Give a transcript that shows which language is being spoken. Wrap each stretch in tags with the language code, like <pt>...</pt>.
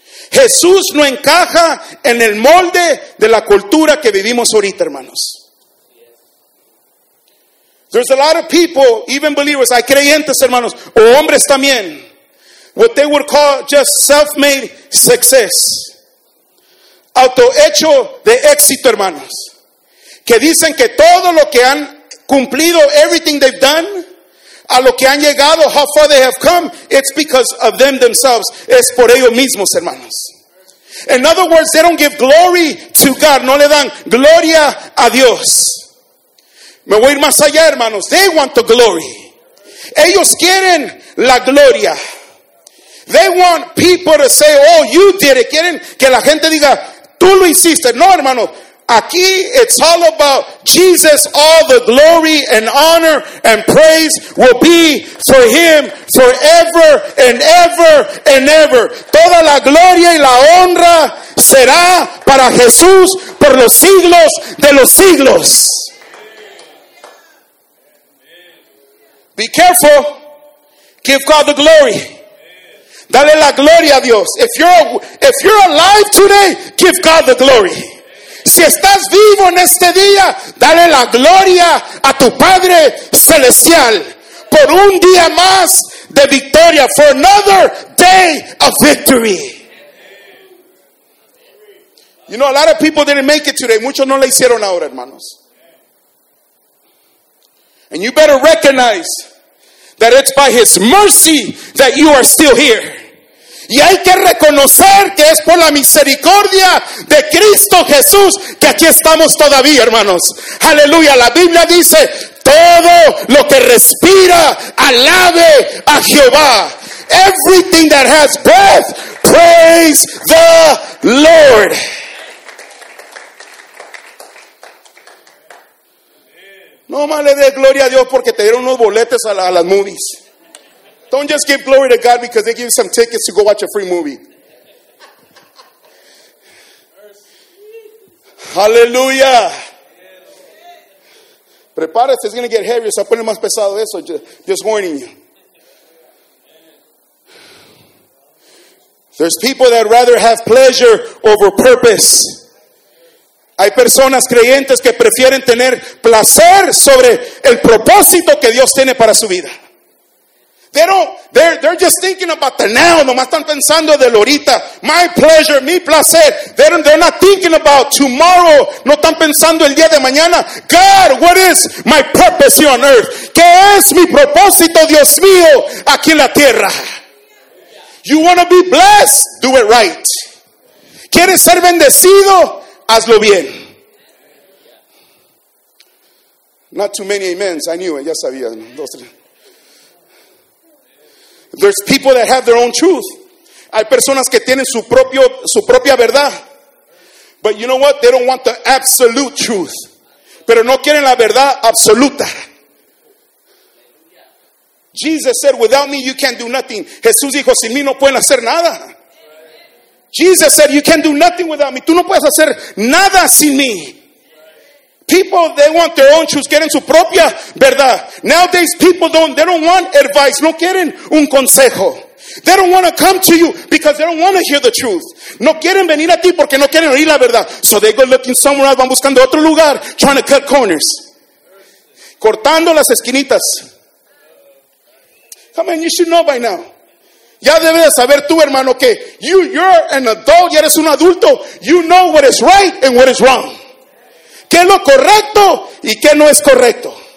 <es>Jesús no encaja en el molde de la cultura que vivimos ahorita, hermanos.</es> <en>There's a lot of people, even believers,</en> <es>hay creyentes, hermanos, o hombres también,</es> <en>what they would call just self-made success.</en> <es>Autohecho de éxito, hermanos. Que dicen que todo lo que han cumplido,</es> <en>everything they've done,</en> <es>a lo que han llegado,</es> <en>how far they have come, it's because of them themselves.</en> <es>Es por ellos mismos, hermanos.</es> <en>In other words, they don't give glory to God.</en> <es>No le dan gloria a Dios. Me voy a ir más allá, hermanos.</es> <en>They want the glory.</en> <es>Ellos quieren la gloria.</es> <en>They want people to say, oh, you did it.</en> <es>Quieren que la gente diga, tú lo hiciste. No, hermano. Aquí,</es> <en>it's all about Jesus. All the glory and honor and praise will be for him forever and ever and ever.</en> <es>Toda la gloria y la honra será para Jesús por los siglos de los siglos.</es> <en>Be careful. Give God the glory.</en> <es>Dale la gloria a Dios.</es> <en>If you're alive today, give God the glory.</en> <es>Si estás vivo en este día, dale la gloria a tu Padre Celestial por un día más de victoria.</es> <en>For another day of victory. You know, a lot of people didn't make it today.</en> <es>Muchos no la hicieron ahora, hermanos.</es> <en>And you better recognize that it's by His mercy that you are still here.</en> <es>Y hay que reconocer que es por la misericordia de Cristo Jesús que aquí estamos todavía, hermanos. Aleluya. La Biblia dice, todo lo que respira, alabe a Jehová.</es> <en>Everything that has breath, praise the Lord.</en> <es>No más le dé gloria a Dios porque te dieron unos boletos a las movies.</es> <en>Don't just give glory to God because they give you some tickets to go watch a free movie. Hallelujah.</en> <es>Prepárate,</es> <en>it's going to get heavier. So</en> <es>ponle más pesado eso.</es> <en>Just warning you. There's people that rather have pleasure over purpose.</en> <es>Hay personas creyentes que prefieren tener placer sobre el propósito que Dios tiene para su vida.</es> <en>They're just thinking about the now.</en> <es>Nomás están pensando del ahorita.</es> <en>My pleasure,</en> <es>mi placer.</es> <en>They're not thinking about tomorrow.</en> <es>No están pensando el día de mañana.</es> <en>God, what is my purpose here on earth?</en> <es>¿Qué es mi propósito, Dios mío, aquí en la tierra?</es> <en>You want to be blessed? Do it right.</en> <es>¿Quieres ser bendecido? Hazlo bien.</es> <en>Not too many amens. I knew it.</en> <es>Ya sabía. Dos, tres.</es> <en>There's people that have their own truth.</en> <es>Hay personas que tienen su propia verdad.</es> <en>But you know what? They don't want the absolute truth.</en> <es>Pero no quieren la verdad absoluta.</es> <en>Jesus said, without me you can't do nothing.</en> <es>Jesús dijo, sin mí no pueden hacer nada.</es> <en>Jesus said, you can't do nothing without me.</en> <es>Tú no puedes hacer nada sin mí.</es> <en>People, they want their own truth.</en> <es>Quieren su propia verdad.</es> <en>Nowadays, people don't want advice.</en> <es>No quieren un consejo.</es> <en>They don't want to come to you because they don't want to hear the truth.</en> <es>No quieren venir a ti porque no quieren oír la verdad.</es> <en>So they go looking somewhere else.</en> <es>Van buscando otro lugar.</es> <en>Trying to cut corners.</en> <es>Cortando las esquinitas.</es> <en>Come on, you should know by now.</en> <es>Ya debes de saber tú, hermano, que</es> <en>you're an adult.</en> <es>Ya eres un adulto.</es> <en>You know what is right and what is wrong.</en> <es>¿Qué es lo correcto y qué no es correcto?</es>